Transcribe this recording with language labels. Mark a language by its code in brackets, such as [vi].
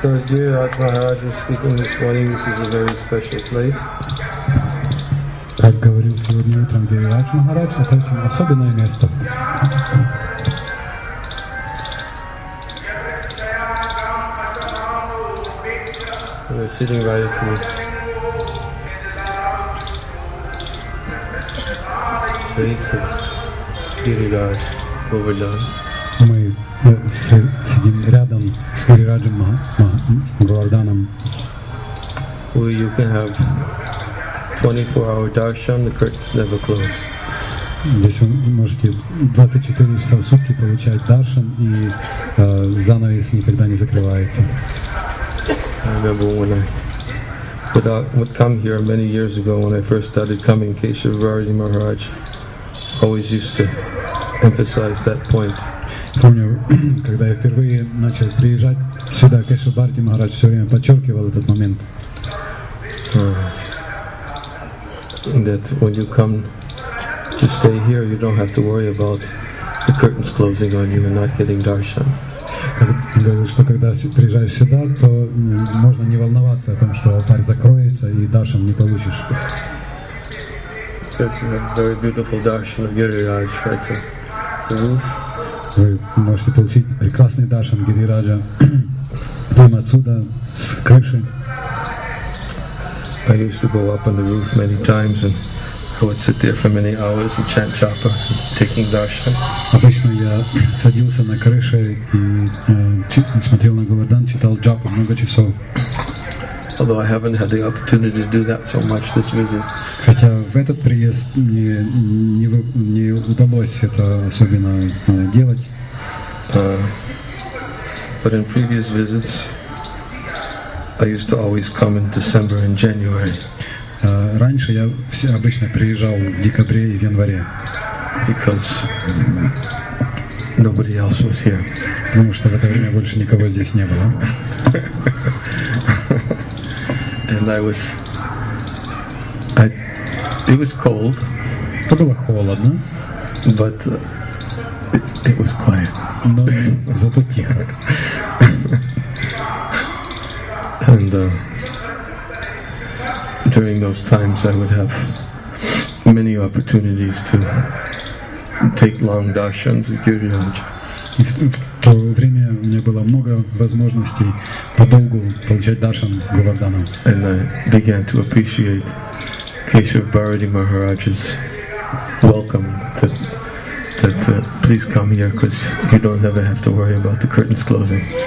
[en] Dear Raj Maharaj is speaking this morning. This is a very special place. [ru] Как говорил сегодня утром Дев Радж Махарадж, это очень особенное место. [en] We're sitting right here. Face of Giriraj Govardhan. [ru] Мы сидим рядом с Гирираджем Говарданом. [en] Where you can have 24-hour darshan, the curtains never close. [ru] Здесь вы можете 24 часа в сутки получать даршан, и занавес никогда не закрывается. [en] I remember when I would come here many years ago when I first started coming, Keshav Viraji Maharaj always used to emphasize that point. [ru] Помню, когда я впервые начал приезжать сюда, Кешав Бхарати Махарадж все время подчеркивал этот момент. [en] That when you come to stay here, you don't have to worry about the curtains closing on you and not getting darshan. [ru] Говорил, что когда приезжаешь сюда, то можно не волноваться о том, что алтарь закроется и даршан не получишь. [en] That's a very beautiful darshan of Giriraj, right? The roof. [ru] Вы можете получить прекрасный даршан Гирираджа прямо отсюда, с крыши. [en] I used to go up on the roof many times and I would sit there for many hours and chant japa, taking darshan. [ru] Обычно я садился на крыше и смотрел на Говардан, читал джапу много часов. [en] Although I haven't had the opportunity to do that so much this visit. [ru] Хотя в этот приезд мне не удалось это особенно делать. [en] But in previous visits, I used to always come in December and January. [ru] Раньше я все обычно приезжал в декабре и в январе. [en] Because nobody else was here. [ru] Потому что в это время больше никого здесь не было. [en] And it was cold. [ru] Это было холодно. [en] But it was quiet. [ru] Но зато тихо. [en] And during those times I would have many opportunities to take long darshans at Giriraj. [ru] В то время у меня было много возможностей подолгу получать даршан Говардана. [en] And I began to appreciate Keshav Bharati Maharaj's welcome that please come here because you don't ever have to worry about the curtains closing.